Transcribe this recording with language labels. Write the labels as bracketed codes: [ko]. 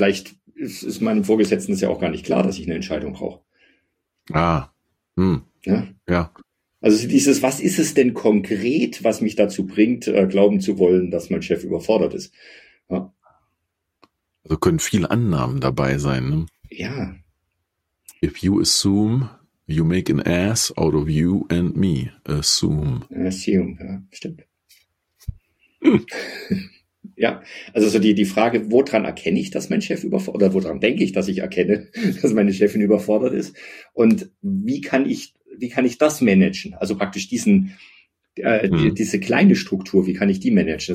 [de] Vielleicht ist meinem Vorgesetzten das ja auch gar nicht klar, dass ich eine Entscheidung brauche. Ah. Ja? Ja. Also dieses, was ist es denn konkret, was mich dazu bringt, glauben zu wollen, dass mein Chef überfordert ist? Ja? Also können viele Annahmen dabei sein. Ne? Ja. [en] If you assume... You make an ass out of you and me. Assume, [de] ja, stimmt. Ja, also so die Frage, woran erkenne ich, dass mein Chef überfordert, oder woran denke ich, dass ich erkenne, dass meine Chefin überfordert ist? Und wie kann ich das managen? Also praktisch diese kleine Struktur, wie kann ich die managen?